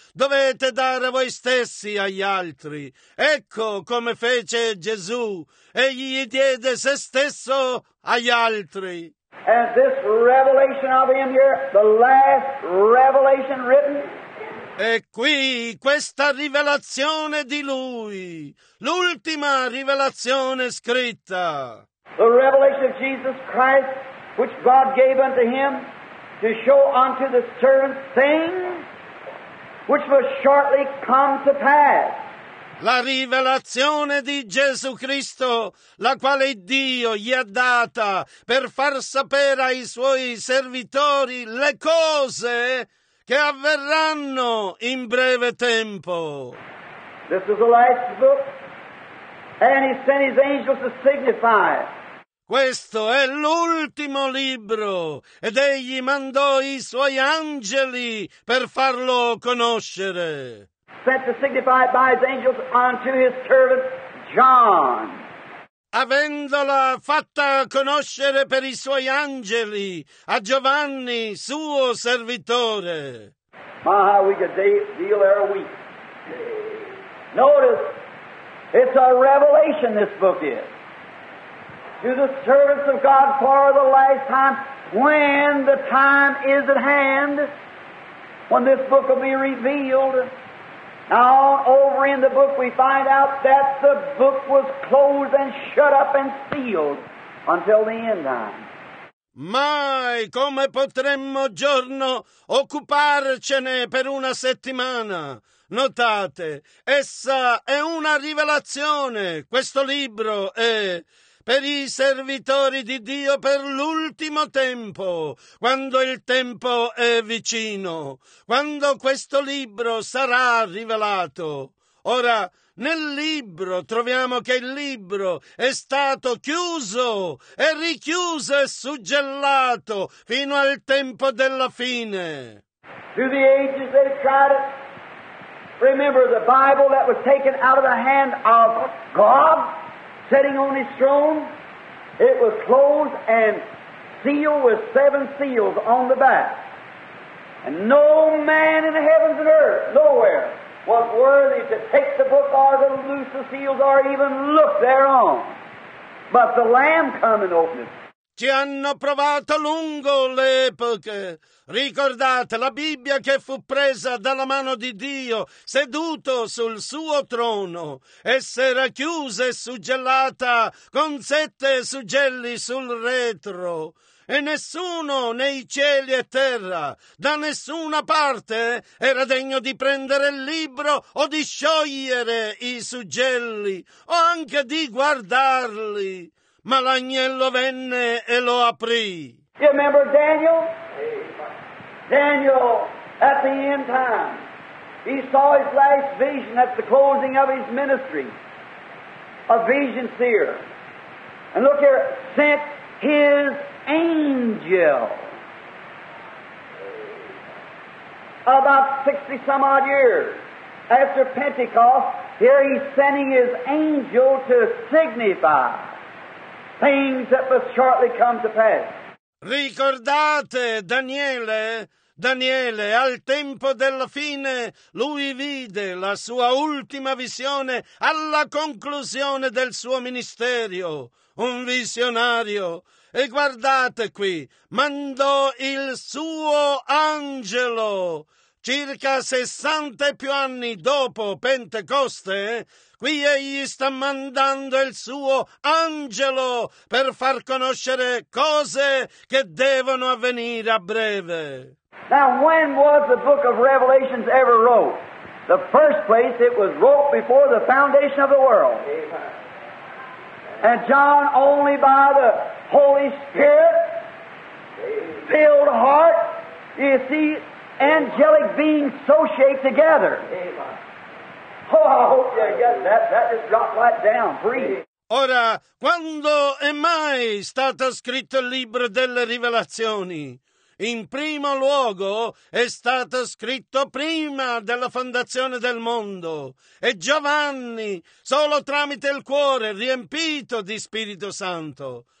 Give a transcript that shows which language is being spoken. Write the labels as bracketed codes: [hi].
[it] Dovete dare voi stessi agli altri. Ecco come fece Gesù. Egli diede se stesso agli altri. [en] And this revelation of him here, the last revelation written. [it] E qui questa rivelazione di lui, l'ultima rivelazione scritta. [en] The revelation of Jesus Christ, which God gave unto him to show unto the servants things which must shortly come to pass. [it] La rivelazione di Gesù Cristo, la quale Dio gli ha data per far sapere ai suoi servitori le cose che avverranno in breve tempo. [en] This is the last book, and he sent his angels to signify. [it] Questo è l'ultimo libro, ed egli mandò i suoi angeli per farlo conoscere. [en] Sent to signify by his angels unto his servant John. [it] Avendola fatta conoscere per i suoi angeli a Giovanni, suo servitore. [en] My, how we could deal every week. Notice, it's a revelation this book is. To the servants of God for the last time, when the time is at hand, when this book will be revealed. Now, over in the book, we find out that the book was closed and shut up and sealed until the end time. [it] Mai come potremmo giorno occuparcene per una settimana. Notate, essa è una rivelazione, questo libro è per i servitori di Dio per l'ultimo tempo, quando il tempo è vicino, quando questo libro sarà rivelato. Ora, nel libro troviamo che il libro è stato chiuso e richiuso e suggellato fino al tempo della fine. [en] To the ages they tried it. Remember the Bible that was taken out of the hand of God? Sitting on his throne, it was closed and sealed with seven seals on the back. And no man in the heavens and earth, nowhere, was worthy to take the book or to loose the seals or even look thereon. But the Lamb come and opened it. [it] Ci hanno provato lungo le epoche. Ricordate la Bibbia che fu presa dalla mano di Dio, seduto sul suo trono, essere chiusa e suggellata con sette suggelli sul retro. E nessuno nei cieli e terra, da nessuna parte, era degno di prendere il libro o di sciogliere i suggelli o anche di guardarli. Ma l'agnello venne e lo aprì. [en] You remember Daniel? Daniel, at the end time, he saw his last vision at the closing of his ministry. A vision seer. And look here, sent his angel. About 60 some odd years after Pentecost, here he's sending his angel to signify things that must shortly come to pass. [it] Ricordate Daniele? Daniele, al tempo della fine, lui vide la sua ultima visione alla conclusione del suo ministero. Un visionario. E guardate qui, mandò il suo angelo. Circa 60 e più anni dopo Pentecoste, qui egli sta mandando il suo angelo per far conoscere cose che devono avvenire a breve. [en] Now, when was the book of Revelations ever wrote? The first place it was wrote before the foundation of the world. And John, only by the Holy Spirit, filled heart, you see, angelic beings so shaped together. Oh, I hope you get that. That just dropped right down. Breathe. [it] Ora, quando è mai stato scritto il libro delle rivelazioni? In primo luogo è stato scritto prima della fondazione del mondo e Giovanni, solo tramite il cuore riempito di Spirito Santo.